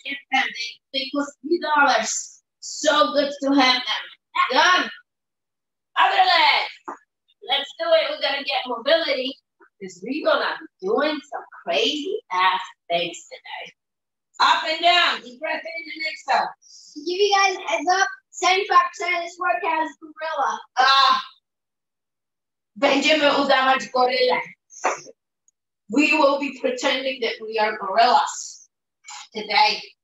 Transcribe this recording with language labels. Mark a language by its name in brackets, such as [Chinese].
[English] Get them, they cost $3. So good to have them. Done. Other leg. Let's do it. We're gonna get mobility. Because we're gonna be doing some crazy ass things today. Up and down, deep breath in and exhale. To give you guys a heads up, 75% of this workout is gorilla. [Polish] Będziemy udawać gorylę. [English] We will be pretending that we are gorillas today.